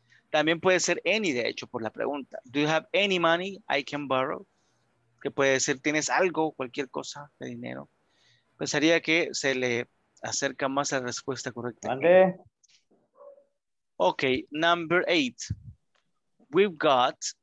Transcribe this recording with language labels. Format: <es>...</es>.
<es>También puede ser any, de hecho, por la pregunta.</es> <en>Do you have any money I can borrow?</en> <es>Que puede ser, ¿tienes algo, cualquier cosa de dinero? Pensaría que se le acerca más a la respuesta correcta. ¿Vale?</es> <en>Ok, number eight. We've got...</en>